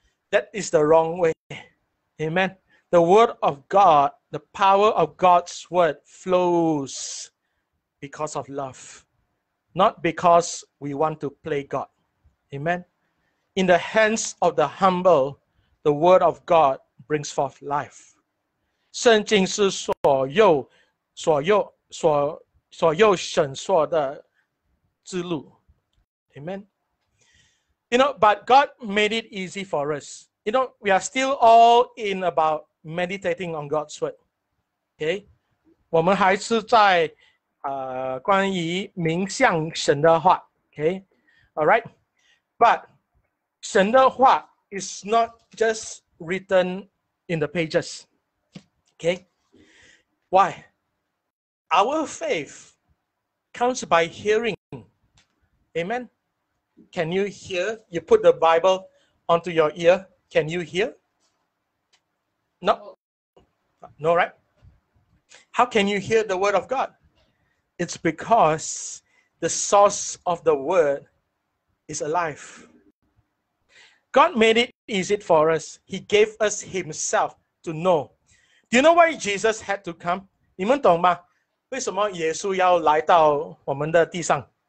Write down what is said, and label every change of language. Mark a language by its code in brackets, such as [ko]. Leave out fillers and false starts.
[en] That is the wrong way. Amen. The word of God, the power of God's word flows because of love, not because we want to play God. Amen. In the hands of the humble, the word of God brings forth life. [zh] 圣经是所有神说的之路。 [en] Amen. You know, but God made it easy for us. You know, we are still all in about meditating on God's word. Okay? [zh] 我们还是在关于冥想神的话。 [en] Okay? All right? But [zh] 神的话 [en] is not just written in the pages. Okay? Why? Our faith comes by hearing. Amen? Can you hear? You put the Bible onto your ear. Can you hear? No. No, right? How can you hear the word of God? It's because the source of the word is alive. God made it easy for us. He gave us himself to know. Do you know why Jesus had to come? [zh] 你们懂吗？为什么耶稣要来到我们的地上？